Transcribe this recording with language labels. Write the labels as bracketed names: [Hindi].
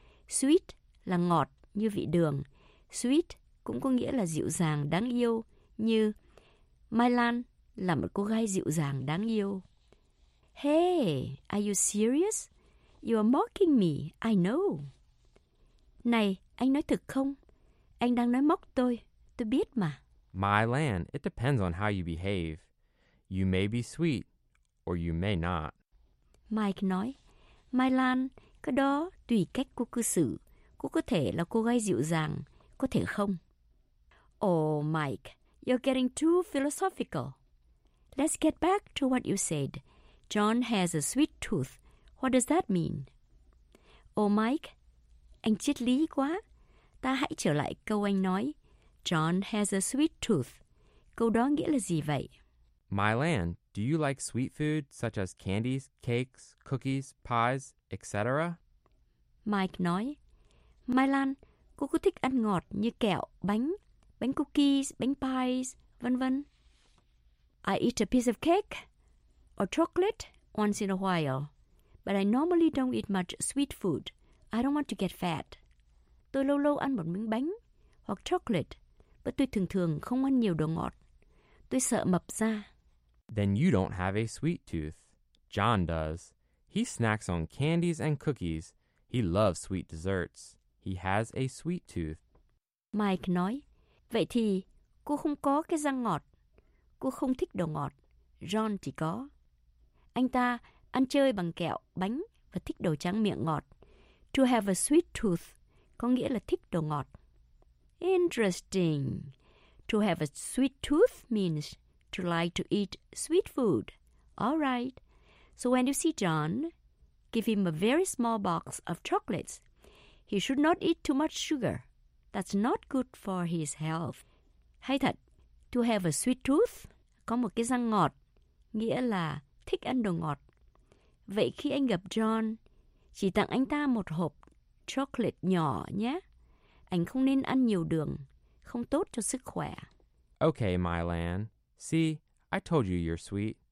[Vietnamese] Sweet là ngọt như vị đường. Sweet cũng có nghĩa là dịu dàng, đáng yêu, như Mai Lan là một cô gái dịu dàng, đáng yêu. [English] Hey, are you serious? You are mocking me, I know. [Vietnamese] Này, anh nói thật không? Anh đang nói móc tôi biết mà. [English] Mai Lan, it depends on how you behave. You may be sweet, or you may not. [Vietnamese] Mike nói, Mai Lan, cái đó tùy cách cô cư xử. Cô có thể là cô gái dịu dàng. Có thể không? [English] Oh, Mike, you're getting too philosophical. Let's get back to what you said. John has a sweet tooth. What does that mean? [Vietnamese] Oh, Mike, anh triết lý quá. Ta hãy trở lại câu anh nói. [English] John has a sweet tooth. [Vietnamese] Câu đó nghĩa là gì vậy? [English] My Lan, do you like sweet food such as candies, cakes, cookies, pies, etc.? [Vietnamese] Mike nói, My Lan, cô có thích ăn ngọt như kẹo, bánh, bánh cookies, bánh pies, vân vân. [English] I eat a piece of cake or chocolate once in a while, but I normally don't eat much sweet food. I don't want to get fat. [Vietnamese] Tôi lâu lâu ăn một miếng bánh hoặc chocolate, but tôi thường thường không ăn nhiều đồ ngọt. Tôi sợ mập ra. [English] Then you don't have a sweet tooth. John does. He snacks on candies and cookies. He loves sweet desserts. He has a sweet tooth. [Vietnamese] Mike nói, vậy thì cô không có cái răng ngọt. Cô không thích đồ ngọt. John chỉ có. Anh ta ăn chơi bằng kẹo, bánh và thích đồ tráng miệng ngọt. [English] To have a sweet tooth [Vietnamese] có nghĩa là thích đồ ngọt. [English] Interesting. To have a sweet tooth means to like to eat sweet food. All right. So when you see John, give him a very small box of chocolates. He should not eat too much sugar. That's not good for his health. [Vietnamese] Hay thật, [English] to have a sweet tooth [Vietnamese] có một cái răng ngọt, nghĩa là thích ăn đồ ngọt. Vậy khi anh gặp John, chỉ tặng anh ta một hộp chocolate nhỏ nhé. Anh không nên ăn nhiều đường, không tốt cho sức khỏe. [English] Okay, Mylan. See, I told you you're sweet.